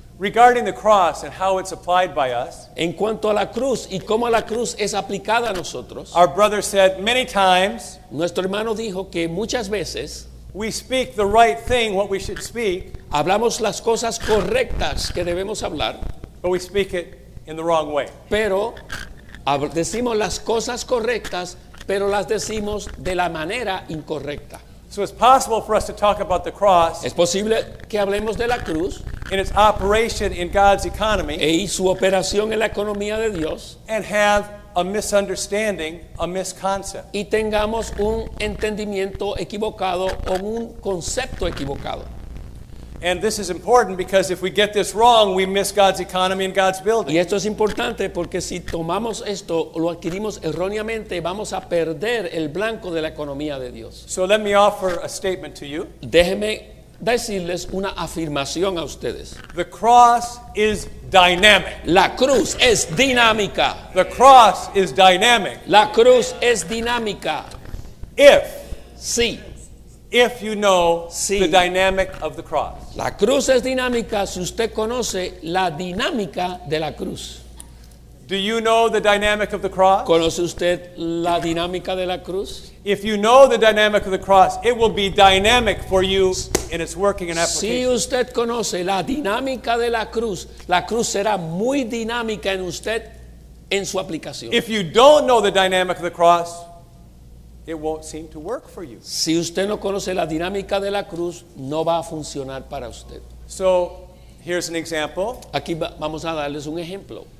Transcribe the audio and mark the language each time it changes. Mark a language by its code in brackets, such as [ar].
[en] Regarding the cross and how it's applied by us, [es] en cuanto a la cruz y cómo la cruz es aplicada a nosotros, [en] our brother said many times, [es] nuestro hermano dijo que muchas veces, [en] we speak the right thing, what we should speak, [es] hablamos las cosas correctas que debemos hablar, [en] but we speak it in the wrong way. [es] Pero decimos las cosas correctas, pero las decimos de la manera incorrecta. [en] So it's possible for us to talk about the cross, [es] es posible que hablemos de la cruz, [en] in its operation in God's economy, [es] y su operación en la economía de Dios, [en] and have a misunderstanding, a misconcept, [es] y tengamos un entendimiento equivocado o un concepto equivocado. [en] And this is important because if we get this wrong, we miss God's economy and God's building. [es] Y esto es importante porque si tomamos esto, lo adquirimos erróneamente, vamos a perder el blanco de la economía de Dios. [en] So let me offer a statement to you. [es] Déjeme decirles una afirmación a ustedes. [en] The cross is dynamic. [es] La cruz es dinámica. [en] The cross is dynamic. [es] La cruz es dinámica. [en] If. [es] Sí. [en] If you know the dynamic of the cross. [es] La cruz es dinámica si usted conoce la dinámica de la cruz. [en] Do you know the dynamic of the cross? [es] ¿Conoce usted la dinámica de la cruz? [en] If you know the dynamic of the cross, it will be dynamic for you in its working and application. [es] Si usted conoce la dinámica de la cruz será muy dinámica en usted en su aplicación. [en] If you don't know the dynamic of the cross, it won't seem to work for you. [es] Si usted no conoce la dinámica de la cruz, no va a funcionar para usted. [en] So, here's an example. [es] Aquí vamos a darles un ejemplo.